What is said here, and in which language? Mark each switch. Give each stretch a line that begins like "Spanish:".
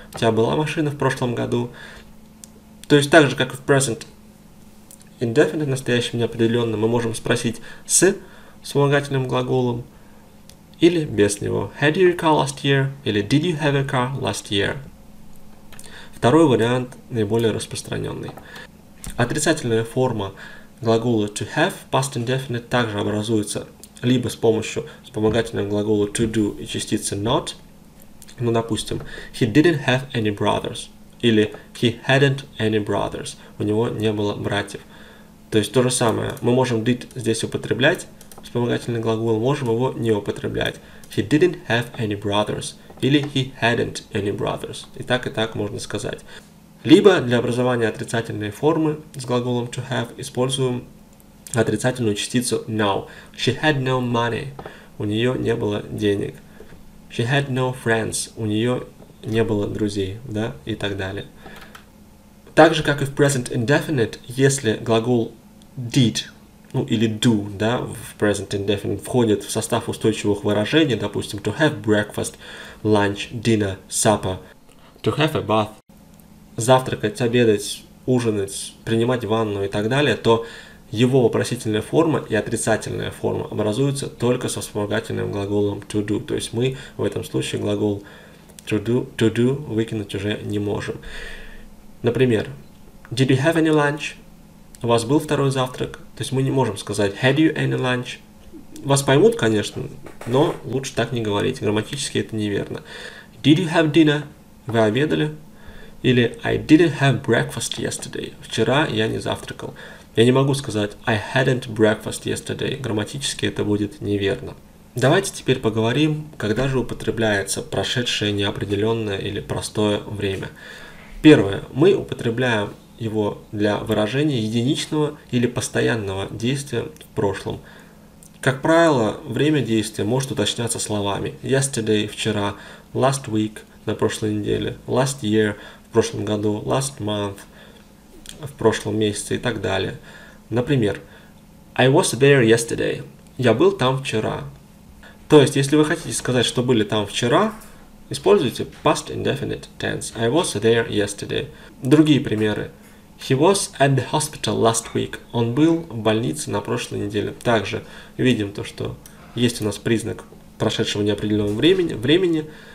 Russian: У тебя была машина в прошлом году? То есть так же, как и в present indefinite, настоящем неопределенном, мы можем спросить с вспомогательным глаголом или без него.
English: Had you a car last year? Или did you have a car last year?
Russian: Второй вариант наиболее распространенный. Отрицательная форма глагола to have в past indefinite также образуется либо с помощью вспомогательного глагола to do и частицы not. Ну, допустим,
English: he didn't have any brothers. или he hadn't any brothers.
Russian: У него не было братьев. То есть то же самое. Мы можем did здесь употреблять вспомогательный глагол, можем его не употреблять.
English: He didn't have any brothers. Или he hadn't any brothers.
Russian: И так можно сказать. Либо для образования отрицательной формы с глаголом to have используем отрицательную частицу now.
English: She had no money.
Russian: У нее не было денег.
English: She had no friends.
Russian: У нее не было друзей, да, и так далее. Так же, как и в present indefinite, если глагол did, ну, или do, да, в present indefinite входит в состав устойчивых выражений, допустим,
English: to have breakfast, lunch, dinner, supper, to have a bath,
Russian: завтракать, обедать, ужинать, принимать ванну и так далее, то его вопросительная форма и отрицательная форма образуются только со вспомогательным глаголом to do. То есть мы в этом случае глагол to do выкинуть уже не можем.
English: Например, did you have any lunch?
Russian: У вас был второй завтрак? То есть мы не можем сказать
English: had you any lunch?
Russian: Вас поймут, конечно, но лучше так не говорить. Грамматически это неверно.
English: Did you have dinner?
Russian: Вы обедали?
English: Или I didn't have breakfast yesterday.
Russian: Вчера я не завтракал. Я не могу сказать
English: I hadn't breakfast yesterday.
Russian: Грамматически это будет неверно. Давайте теперь поговорим, когда же употребляется прошедшее неопределенное или простое время. Первое. Мы употребляем его для выражения единичного или постоянного действия в прошлом. Как правило, время действия может уточняться словами yesterday – вчера, last week – на прошлой неделе, last year – в прошлом году, last month – в прошлом месяце и так далее. Например,
English: I was there yesterday
Russian: – я был там вчера. То есть, если вы хотите сказать, что были там вчера, используйте past indefinite tense.
English: I was there yesterday.
Russian: Другие примеры.
English: He was at the hospital last week.
Russian: Он был в больнице на прошлой неделе. Также видим то, что есть у нас признак прошедшего неопределенного времени.